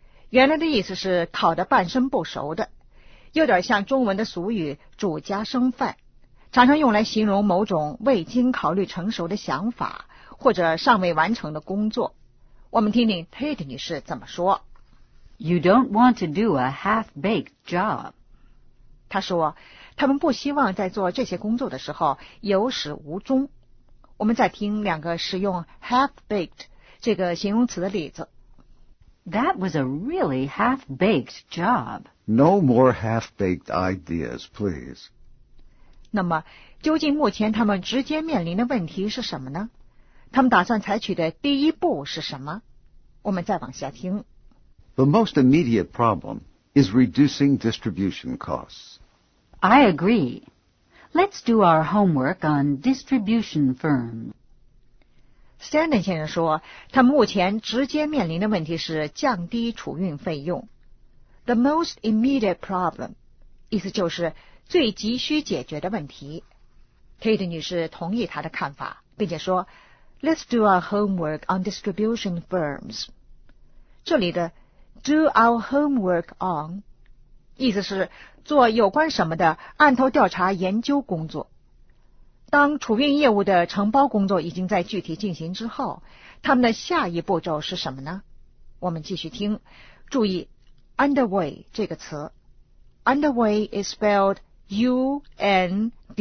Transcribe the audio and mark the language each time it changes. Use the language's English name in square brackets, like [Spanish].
[Chinese] 原来的意思是烤得半生不熟的，有点像中文的俗语煮家生饭，常常用来形容某种未经考虑成熟的想法或者尚未完成的工作。我们听听 Tate 女士怎么说。 [English] You don't want to do a half-baked job. [Chinese] 她说他们不希望在做这些工作的时候有始无终。我们再听两个使用 half-baked 这个形容词的例子。 [English] That was a really half-baked job. No more half-baked ideas, please. [Chinese] 那么，究竟目前他们直接面临的问题是什么呢？他们打算采取的第一步是什么？我们再往下听。 [English] The most immediate problem is reducing distribution costs. I agree. Let's do our homework on distribution firms. [Chinese] Stanton 先生说他目前直接面临的问题是降低储运费用。 [English] The most immediate problem, [Chinese] 意思就是最急需解决的问题。 Kate 女士同意他的看法并且说 [English] Let's do our homework on distribution firms. [Chinese] 这里的 [English] do our homework on, [Chinese] 意思是做有关什么的案头调查研究工作。当储运业务的承包工作已经在具体进行之后，他们的下一步骤是什么呢？我们继续听，注意 underway 这个词。 [English] Underway is spelled U-N-D-E-R-W-A-Y.